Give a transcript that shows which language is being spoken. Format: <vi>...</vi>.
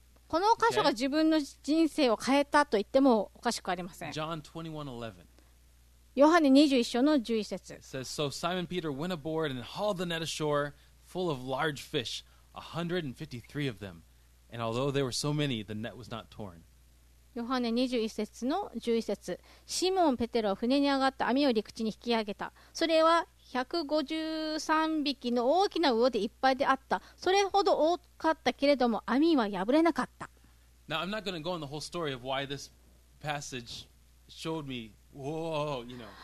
<ja>この箇所が自分の人生を変えたと言ってもおかしくありません。</ja> <en>John 21:11.</en> <ja>ヨハネ21章の11節。</ja> <en>It says, So Simon Peter went aboard and hauled the net ashore full of large fish, 153 of them. And although there were so many, the net was not torn.</en> <ja>ヨハネ21節の11節、シモン・ペテロは船に上がった網を陸地に引き上げた。それは153匹の大きな魚でいっぱいであった。それほど多かったけれども、網は破れなかった。</ja> <en>Now, I'm not going to go on the whole story of why this passage showed me, whoa, you know.</en>